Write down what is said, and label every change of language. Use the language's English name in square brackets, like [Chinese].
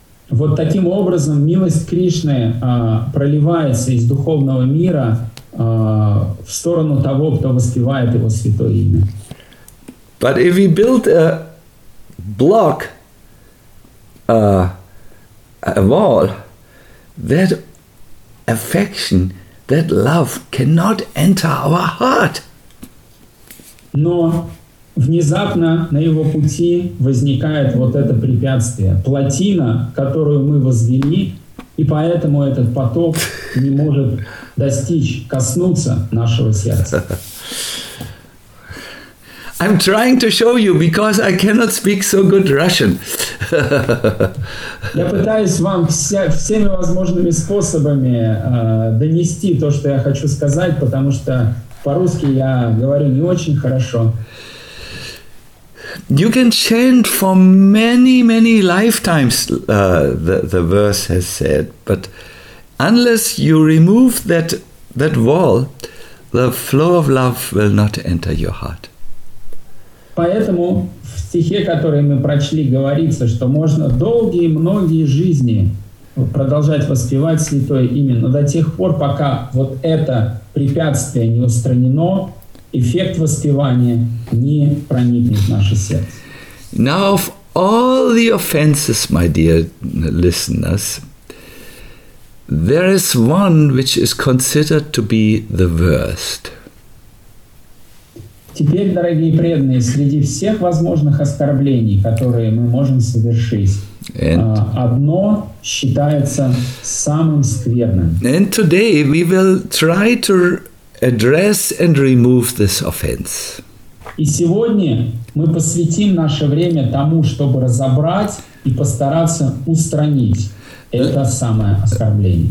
[Russian] Вот таким образом милость Кришны проливается из духовного мира в сторону того, кто воспевает его святое имя. [English] But if we build a block a wall, that affection, that love cannot enter our heart. [Russian] Но внезапно на его пути возникает вот это препятствие, плотина, которую мы возвели, и поэтому этот поток не может достичь, коснуться нашего сердца. [English] I'm trying to show you because I cannot speak so good Russian. [Russian] Я пытаюсь вам всеми возможными способами донести то, что я хочу сказать, потому что по-русски я говорю не очень хорошо. [English] You can chant for many, many lifetimes, the verse has said, but unless you remove that wall, the flow of love will not enter your heart. [Russian] Поэтому в стихе, который мы прочли, говорится, что можно долгие многие жизни продолжать воспевать святое имя, но до тех пор, пока вот это препятствие не устранено, эффект воспевания не проникнет в наше сердце. [English] Now of all the offenses, my dear listeners, there is one which is considered to be the worst. [Russian] Теперь, дорогие преданные, среди всех возможных оскорблений, которые мы можем совершить, одно считается самым скверным. [English] And today we will try to address and remove this offense. [Russian] И сегодня мы посвятим наше время тому, чтобы разобрать и постараться устранить это самое оскорбление.